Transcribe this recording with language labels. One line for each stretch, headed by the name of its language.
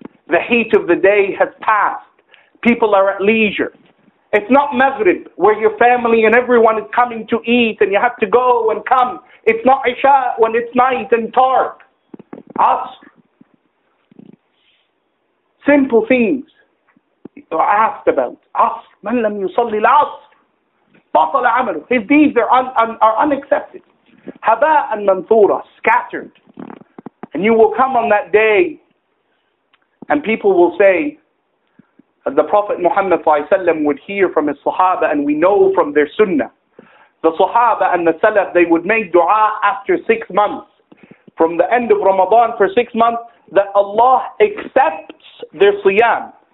English: The heat of the day has passed. People are at leisure. It's not Maghrib, where your family and everyone is coming to eat and you have to go and come. It's not Isha when it's night and dark. Asr. Simple things are asked about. Asr.
Arabic: من لم يصلي العصر بطل عمله.
English: His deeds are unaccepted.
Arabic: هباء منثورة. Scattered.
English: And you will come on that day and people will say, as the Prophet Muhammad ﷺ would hear from his Sahaba, and we know from their Sunnah, the Sahaba and the Salaf, they would make dua after 6 months, from the end of Ramadan for 6 months, that Allah accepts their Siyam.